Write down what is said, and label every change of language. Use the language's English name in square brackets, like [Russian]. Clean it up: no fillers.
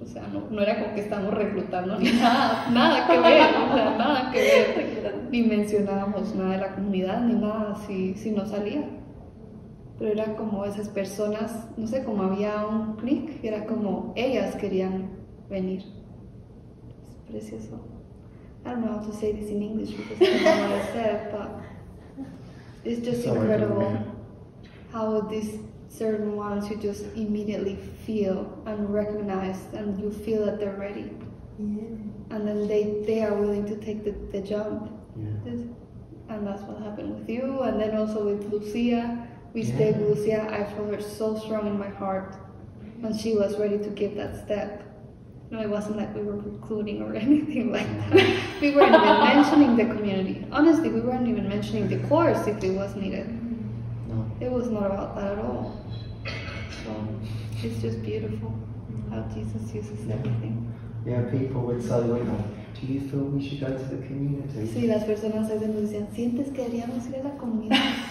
[Spanish] O sea, no era como que estábamos reclutando ni nada que ver, o sea, nada que ver. Ni mencionábamos nada de la comunidad, ni nada, si no salía. Pero era como esas personas, no sé, como había un clic, era como ellas querían venir. Es precioso. [English] I don't know how to say this in English because I don't know what I said, but it's just so incredible how these certain ones you just immediately feel and recognize, and you feel that they're ready. Yeah. And then they are willing to take the jump. Yeah. and that's what happened with you. And then also with Lucia, we stayed with Lucia. I felt her so strong in my heart when she was ready to give that step. No, it wasn't like we were recruiting or anything like that. We weren't even mentioning the community. Honestly, we weren't even mentioning the course if it was needed. No. It was not about that at all. So it's just beautiful how Jesus uses everything. Yeah, people would say, well, do you feel we should go to the community? [Spanish] Sí, las personas se denuncian, ¿sientes que deberíamos ir a la comunidad?